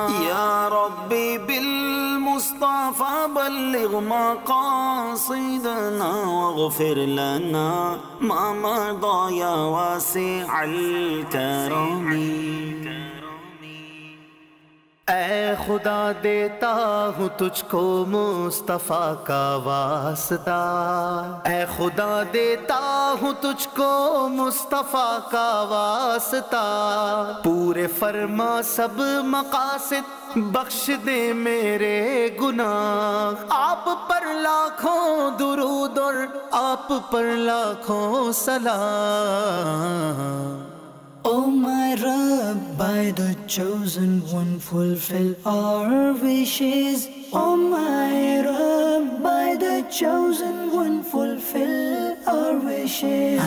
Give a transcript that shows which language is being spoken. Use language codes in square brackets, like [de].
[ar] يا ربي مصطفى بلغ مقاصدنا واغفر لنا ما مضى يا واسع الكرم. [ur] اے خدا دیتا ہوں تجھ کو مصطفیٰ کا واسطہ. اے خدا دیتا ہوں تجھ کو مصطفیٰ کا واسطہ. پورے فرما سب مقاصد بخش دے میرے گناہ. آپ پر لاکھوں درود اور آپ پر لاکھوں سلام. [en] Oh my Rabb, by the chosen one, fulfill our wishes. Oh my Rabb, by the chosen one, fulfill our wishes.